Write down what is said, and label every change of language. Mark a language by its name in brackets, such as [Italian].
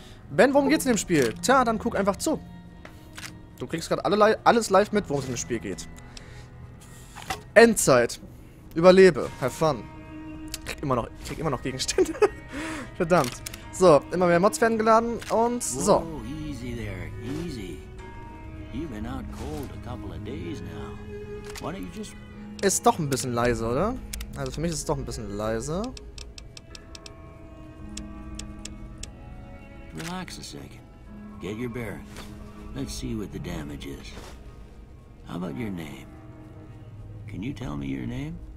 [German] Ben, worum geht's in dem Spiel? Tja, dann guck einfach zu. Du kriegst gerade alles live mit, worum es in dem Spiel geht. Endzeit. Überlebe. [English] Have fun. [German] Krieg immer noch Gegenstände. Verdammt. So, immer mehr Mods werden geladen und so. [English] Whoa, easy there, easy. You've been out cold a couple of days now. Why don't you just... [German] Ist doch ein bisschen leise, oder? Also für mich ist es doch ein bisschen leise. [English] Relax a second. Get your bearings. Let's see what the damage is. How about your name? Can you tell me your name?